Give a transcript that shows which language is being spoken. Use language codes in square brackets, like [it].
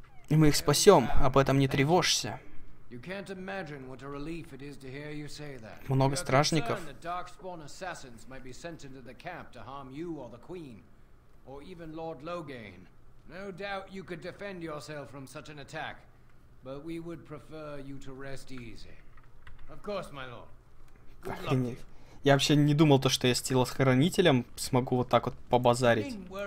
[ru] И мы их спасем, об этом не тревожься. [en] You can't imagine what a relief it is to hear you say that. [ru] Много стражников. [en] The darkspawn assassins might be sent into the camp to harm you or the queen, or even Lord Loghain. No doubt you could defend yourself from such an attack, but we would prefer you to rest easy. Of course, my lord. Good luck. [ru] Я вообще не думал то, что я с телохранителем смогу вот так вот побазарить.